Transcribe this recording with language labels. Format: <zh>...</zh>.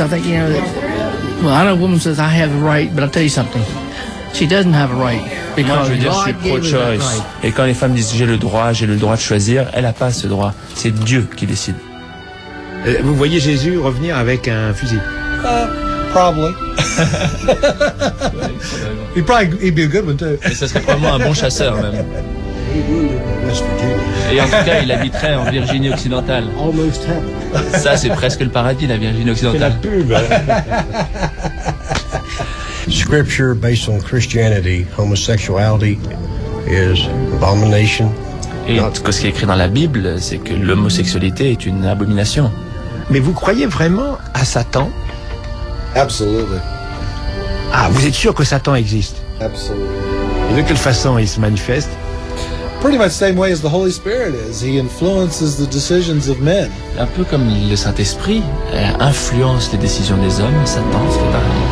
<en>I think, you know, that, well, I know a woman says I have a right, but I'll tell you something. She doesn't have a right.</en> <fr>Because moi, je veux dire, je suis pro-choice. Et quand les femmes disent j'ai le droit de choisir, elle n'a pas ce droit. C'est Dieu qui décide. Vous voyez Jésus revenir avec un fusil?</fr> <en>Probably. He'd probably he'd be a good one too.</en> <fr>Ça serait probablement un bon chasseur même. Et en tout cas, il habiterait en Virginie occidentale.</fr> <en>Almost heaven.</en> <fr>Ça, c'est presque le paradis, la Virginie occidentale. C'est la pub.</fr> <en>Scripture based on Christianity, homosexuality is abomination.</en> <fr>Et en tout cas, ce qui est écrit dans la Bible, c'est que l'homosexualité est une abomination. Mais vous croyez vraiment à Satan?</fr> <en>Absolutely.</en> <fr>Ah, vous êtes sûr que Satan existe?</fr> <en>Absolutely.</en> <fr>Et de quelle façon il se manifeste?</fr> <en>Pretty much the same way as the Holy Spirit is. He influences the decisions of men.</en> <fr>Un peu comme le Saint-Esprit influence les décisions des hommes, Satan fait pareil.</fr>